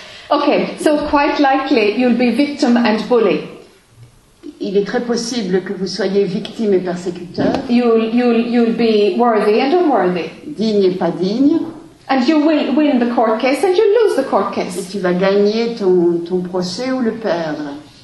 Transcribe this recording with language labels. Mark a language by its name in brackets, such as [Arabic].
[English] Okay, so quite likely you'll be victim and bully. [French] Il est très possible que vous soyez victime et persécuteur. [English] You'll be worthy and unworthy. [French] Digne et pas digne. [English] And you will win the court case and you'll lose the court case. [French] Et tu vas gagner ton procès ou le perdre.